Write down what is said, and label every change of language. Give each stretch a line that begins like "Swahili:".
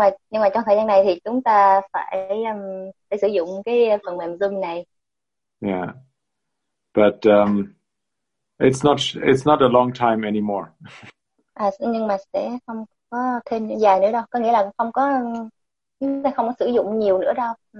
Vietnamese: nhưng mà trong thời gian này thì chúng ta phải sử dụng cái phần mềm Zoom này.
English: Yeah, but it's not a long time anymore.
Vietnamese: Nhưng mà sẽ không có thêm dài nữa đâu. Có nghĩa là chúng ta không có sử dụng nhiều nữa đâu.